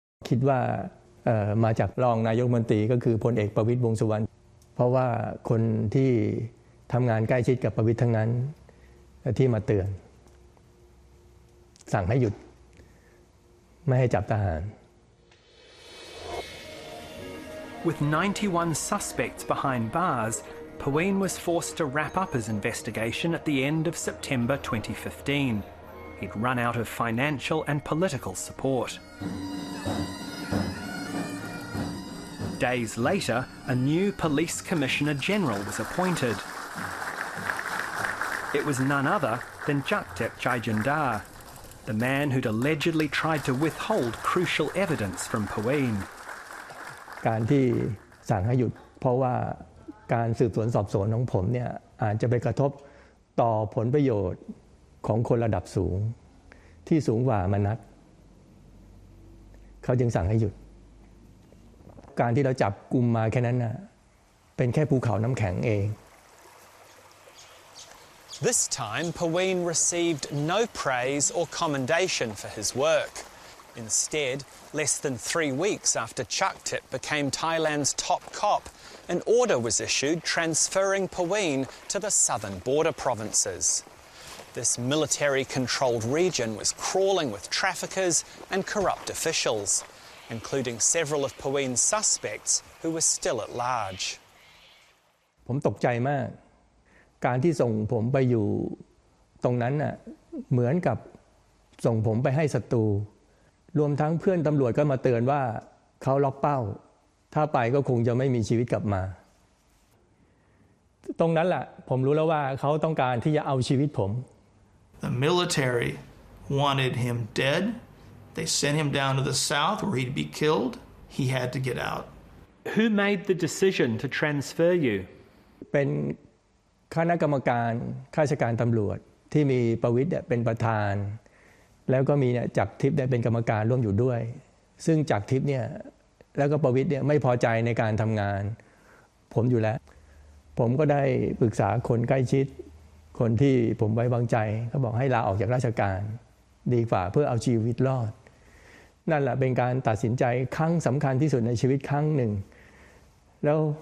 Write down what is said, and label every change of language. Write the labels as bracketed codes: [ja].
[th] คิดว่ามาจากรองนายกรัฐมนตรีก็คือพลเอกประวิตรวงษ์สุวรรณเพราะว่าคนที่ทำงานใกล้ชิดกับประวิตรทั้งนั้นที่มาเตือนสั่งให้หยุดไม่ให้จับทหาร [en] With 91 suspects behind bars, Pawin was forced to wrap up his investigation at the end of September 2015. He'd run out of financial and political support. Days later, a new police commissioner general was appointed. It was none other than Jagdeep Jaijindar, the man who'd allegedly tried to withhold crucial evidence from Pawin. [th] การที่สั่งให้หยุดเพราะว่าการสืบสวนสอบสวนของผมเนี่ยอาจจะไปกระทบต่อผลประโยชน์ของคนระดับสูงที่สูงกว่ามนัสเขาจึงสั่งให้หยุดการที่เราจับกุมมาแค่นั้นน่ะเป็นแค่ภูเขาน้ำแข็งเอง [en] This time Pawin received no praise or commendation for his work instead less than 3 weeks after Jagdeep became Thailand's top copAn order was issued transferring Pawin to the southern border provinces. This military-controlled region was crawling with traffickers and corrupt officials, including several of Pawin's suspects who were still at large. [th] ผมตกใจมากการที่ส่งผมไปอยู่ตรงนั้นน่ะเหมือนกับส่งผมไปให้ศัตรูรวมทั้งเพื่อนตำรวจก็มาเตือนว่าเขาล็อกเป้าถ้าไปก็คงจะไม่มีชีวิตกลับมาตรงนั้นแหละผมรู้แล้วว่าเขาต้องการที่จะเอาชีวิตผม [en] The military wanted him dead. They sent him down to the south where he'd be killed. He had to get out. Who made the decision to transfer you? [th] เป็นคณะกรรมการข้าราชการตำรวจที่มีประวิตรเป็นประธานแล้วก็มีจักรทิพย์เป็นกรรมการร่วมอยู่ด้วยซึ่งจักรทิพย์เนี่ยแล้วก็ประวิตรเนี่ยไม่พอใจในการทำงานผมอยู่แล้วผมก็ได้ปรึกษาคนใกล้ชิดคนที่ผมไว้วางใจเขาบอกให้ลาออกจากราชการดีกว่าเพื่อเอาชีวิตรอดนั่นแหละเป็นการตัดสินใจครั้งสำคัญที่สุดในชีวิตครั้งหนึ่งแล้ว